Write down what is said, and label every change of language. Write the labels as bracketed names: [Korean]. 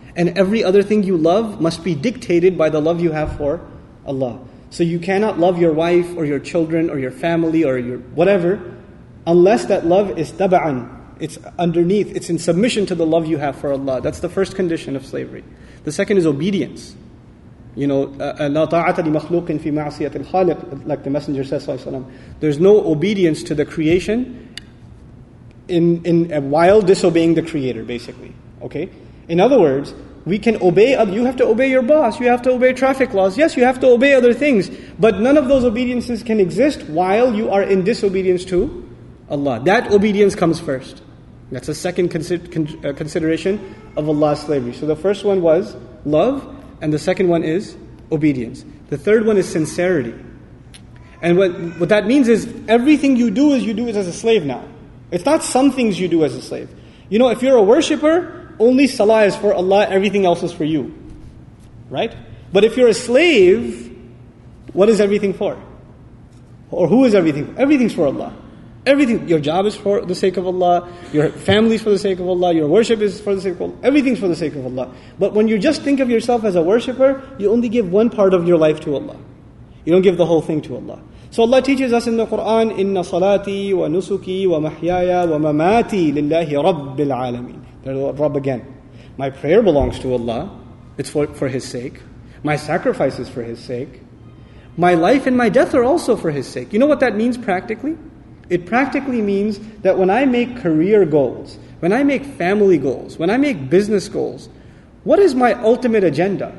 [English] And every other thing you love must be dictated by the love you have for Allah. So you cannot love your wife or your children or your family or your whatever unless that love is taba'an. It's underneath. It's in submission to the love you have for Allah. That's the first condition of slavery. The second is obedience. You know, [Arabic] لَا طَاعَةَ لِمَخْلُوقٍ فِي مَعْصِيَةِ الْخَالِقِ, [English] like the Messenger says, [Arabic] صلى الله عليه وسلم. [English] There's no obedience to the creation in while disobeying the Creator, basically. Okay? In other words, we can obey, you have to obey your boss, you have to obey traffic laws, yes, you have to obey other things, but none of those obediences can exist while you are in disobedience to Allah. That obedience comes first. That's the second consideration of Allah's slavery. So the first one was love. And the second one is obedience. The third one is sincerity. And what that means is, everything you do it as a slave now. It's not some things you do as a slave. You know, if you're a worshipper, only salah is for Allah, everything else is for you. Right? But if you're a slave, what is everything for? Or who is everything? Everything's for Allah. Everything, your job is for the sake of Allah, your family is for the sake of Allah, your worship is for the sake of Allah, everything's for the sake of Allah. But when you just think of yourself as a worshipper, you only give one part of your life to Allah. You don't give the whole thing to Allah. So Allah teaches us in the Quran, [Arabic] إِنَّ صَلَاتِي وَنُسُكِي وَمَحْيَايَ وَمَمَاتِي لِلَّهِ رَبِّ الْعَالَمِينَ. [English] There's the Rabb again. My prayer belongs to Allah. It's for His sake. My sacrifice is for His sake. My life and my death are also for His sake. You know what that means practically? It practically means that when I make career goals, when I make family goals, when I make business goals, what is my ultimate agenda?